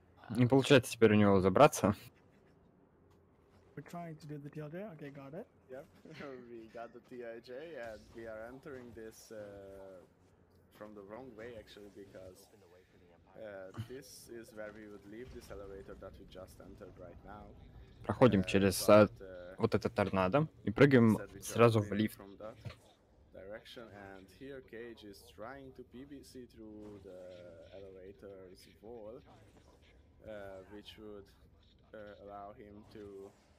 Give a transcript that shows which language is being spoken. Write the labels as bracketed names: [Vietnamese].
[Russian] Не получается теперь у него забраться? [English] We're trying to do the TLJ. Okay, got it. Yep, we got the TLJ, and we are entering this from the wrong way, actually, because this is where we would leave this elevator that we just entered right now. [Russian] Проходим через вот этот торнадо и прыгаем сразу в лифт. [English] From that direction, and here Cage is trying to PBC through the elevator's wall, which would allow him to.